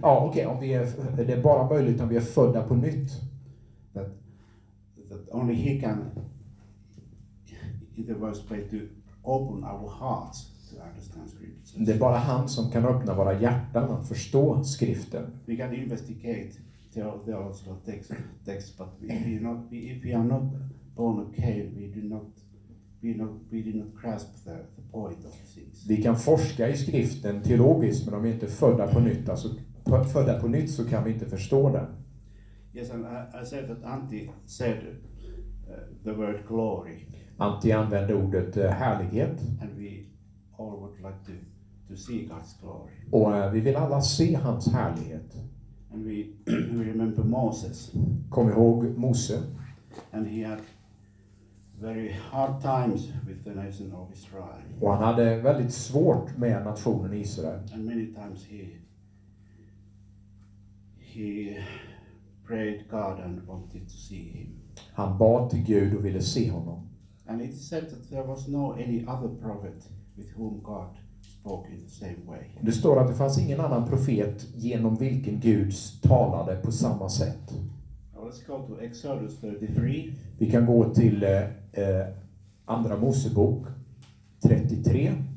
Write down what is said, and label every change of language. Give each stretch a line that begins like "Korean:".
Swedish: Ja, okej, om vi är, det är bara möjligt om vi är födda på nytt.
English: That only he can in the worst way to open our hearts.
Swedish: Det är bara han som kan öppna våra hjärtan och förstå skriften.
English: We can investigate theological texts, but if we are not born again, we do not grasp the point of things.
Swedish: Vi kan forska i skriften teologiskt, men om vi inte är födda på nytt, alltså födda på nytt, så kan vi inte förstå den.
English: Yes, and I said that Antti said the word glory.
Swedish: Antti använde ordet härlighet.
English: And we all would like to see God's glory.
Swedish: Och vi vill alla se hans härlighet.
English: And we remember Moses.
Swedish: Kom ihåg Mose.
English: And he had very hard times with the nation of Israel.
Swedish: Och han hade väldigt svårt med nationen Israel.
English: And many times he prayed God and wanted to see him.
Swedish: Han bad till Gud och ville se honom.
English: And it said that there was no any other prophet with whom God spoke in the same way.
Swedish: Det står att det fanns ingen annan profet genom vilken Gud talade på samma sätt.
English: Now let's go to Exodus 33.
Swedish: Vi kan gå till andra Mosebok 33.